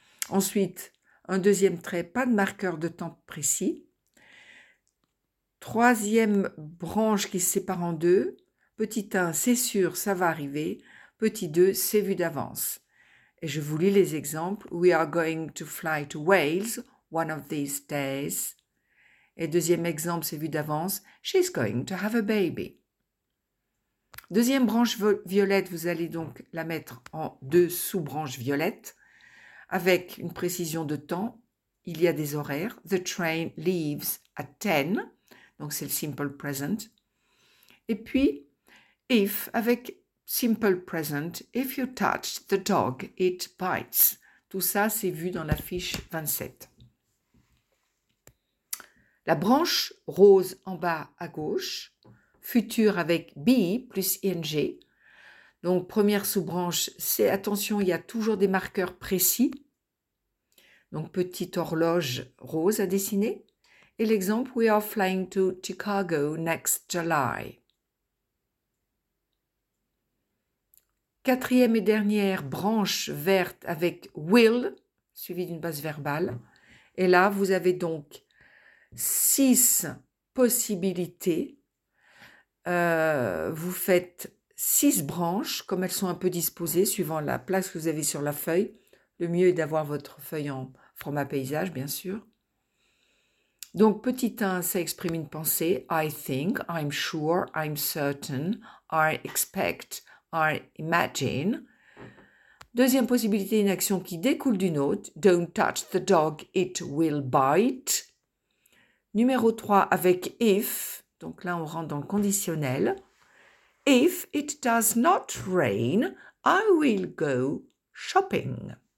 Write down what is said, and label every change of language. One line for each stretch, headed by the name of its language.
French: Ensuite, un deuxième trait, pas de marqueur de temps précis. Troisième branche qui se sépare en deux. Petit 1, c'est sûr, ça va arriver. Petit 2, c'est vu d'avance. Et je vous lis les exemples.
English: We are going to fly to Wales one of these days.
French: Et deuxième exemple, c'est vu d'avance.
English: She's going to have a baby.
French: Deuxième branche violette, vous allez donc la mettre en deux sous-branches violettes avec une précision de temps. Il y a des horaires.
English: The train leaves at 10.
French: Donc, c'est le simple present. Et puis,
English: if
French: avec simple present,
English: if you touch the dog, it bites.
French: Tout ça, c'est vu dans la fiche 27. La branche rose en bas à gauche. Futur avec be plus ing. Donc, première sous-branche, c'est attention, il y a toujours des marqueurs précis. Donc, petite horloge rose à dessiner. Et l'exemple,
English: we are flying to Chicago next July.
French: Quatrième et dernière branche verte avec will, suivie d'une base verbale. Et là, vous avez donc 6 possibilités. Vous faites 6 branches, comme elles sont un peu disposées, suivant la place que vous avez sur la feuille. Le mieux est d'avoir votre feuille en format paysage, bien sûr. Donc, petit 1, ça exprime une pensée.
English: I think, I'm sure, I'm certain, I expect, I imagine.
French: Deuxième possibilité, une action qui découle d'une autre.
English: Don't touch the dog, it will bite.
French: Numéro 3, avec if. Donc là, on rentre dans le conditionnel.
English: If it does not rain, I will go shopping.